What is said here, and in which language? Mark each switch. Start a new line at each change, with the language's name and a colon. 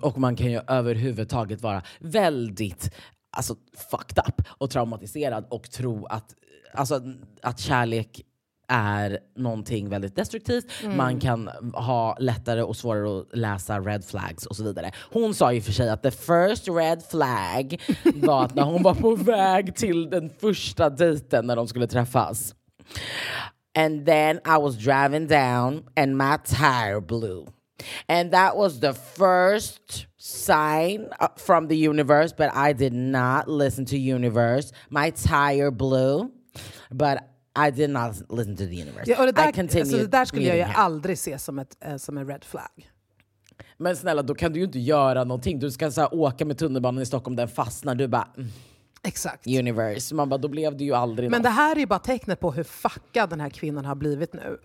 Swedish: Och man kan ju överhuvudtaget vara väldigt, alltså,
English: fucked up
Swedish: och traumatiserad och tro att, alltså, att kärlek är någonting väldigt destruktivt. Mm. Man kan ha lättare och svårare att läsa red flags och så vidare. Hon sa ju för sig att
English: the first red flag
Swedish: var att när hon var på väg till den första dejten när de skulle träffas.
English: And then I was driving down and my tire blew. And that was the first sign from the universe, but I did not listen to universe. My tire blew, but I did not listen to the universe.
Swedish: Ja, och det där,
English: I continued,
Swedish: alltså, det där skulle jag ju aldrig se som en red flag. Men snälla, då kan du ju inte göra någonting. Du ska så här åka med tunnelbanan i Stockholm, den fastnar, du bara... Exakt.
English: Universe.
Swedish: Man bara, då blev det ju aldrig. Men något. Det här är ju bara tecknet på hur fuckad den här kvinnan har blivit nu.